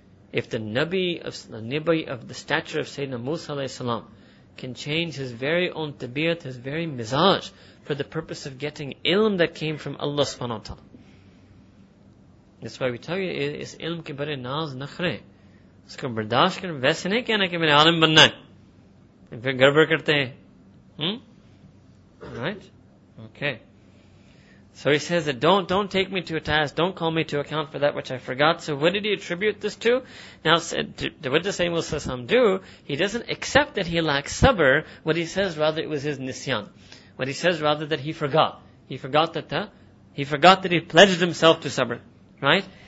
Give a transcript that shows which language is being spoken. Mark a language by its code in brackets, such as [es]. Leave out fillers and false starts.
[en] If the Nabi of the Nabi of the stature of Sayyidina Musa alayhi salam can change his very own tabiat, his very mizaj, for the purpose of getting ilm that came from Allah subhanahu wa ta'ala. That's why we tell you, is [ur] ilm ke bare naaz nakhre. اسکو برداشت کر، ویسے نہیں کہنا کی مرے عالم بننا ہے۔ [en] And [ur] پھر گڑبڑ کرتے ہیں۔ [en] Right? Okay. So he says that don't take me to a task, don't call me to account for that which I forgot. So what did he attribute this to? Now, what does Sayyidina Musa Sam do? He doesn't accept that he lacks sabr. What he says rather, it was his nisyan. What he says rather, that he forgot. He forgot that he pledged himself to sabr. Right?